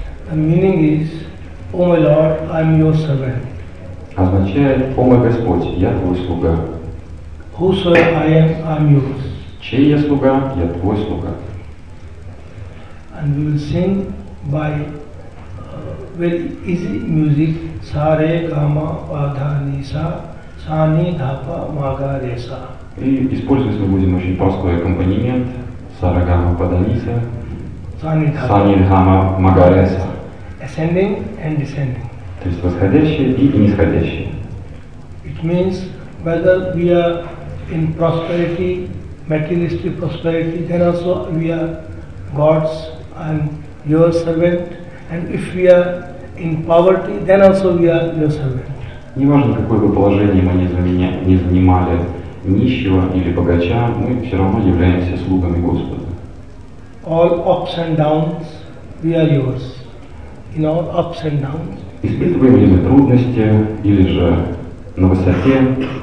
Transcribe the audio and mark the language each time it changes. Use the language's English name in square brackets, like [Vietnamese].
[English] The meaning is, O my Lord, I'm your servant. [Russian] Означает, о мой Господь, я твой слуга. [English] Whosoever I am, I'm yours. [Russian] Чей я слуга, я твой слуга. [English] And we will sing by very easy music. Sa re ga ma pa dha ni sa, sa ni dha pa ma ga re sa. [Russian] И использовать мы будем очень простой аккомпанемент. Sa re ga ma pa dha ni sa, sa ni dha pa ma ga re sa. [English] Ascending and descending. [Russian] То есть восходящее и нисходящее. [English] It means whether we are in prosperity, materialistic prosperity, then also we are God's and your servant. And if we are in poverty, then also we are your servant. [Russian] Не важно, какое бы положение мы не занимали, нищего или богача, мы все равно являемся слугами Господа. [English] All ups and downs, we are yours. In all ups and downs. [Russian] Испытываем ли мы трудности или же на высоте,